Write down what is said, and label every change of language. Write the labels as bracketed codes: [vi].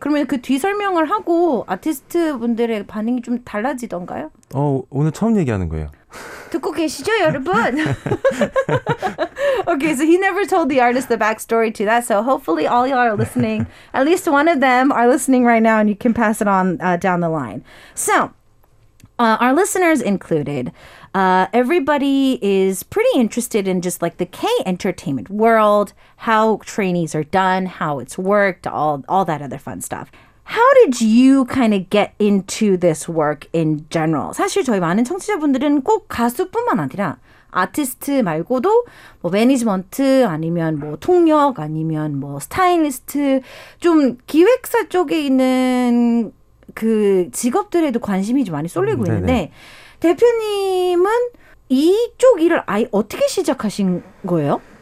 [ko] 그러면 그 뒤설명을 하고 아티스트 분들의 반응이 좀 달라지던가요? 오늘 처음 얘기하는 거예요. 듣고 계시죠, 여러분? [en] Okay, so he never told the artist the backstory to that. So hopefully all y'all are listening. At least one of them are listening right now and you can pass it on down the line. So, our listeners included, everybody is pretty interested in just like the K-entertainment world, how trainees are done, how it's worked, all that other fun stuff. How did you kind of get into this work in general? [ko] 사실 저희 많은 청취자분들은 꼭 가수뿐만 아니라 아티스트 말고도 뭐 매니지먼트 아니면 뭐 통역 아니면 뭐 스타일리스트 좀 기획사 쪽에 있는 그 직업들에도 관심이 좀 많이 쏠리고 있는데 대표님은 이쪽 일을 아예 어떻게 시작하신 거예요?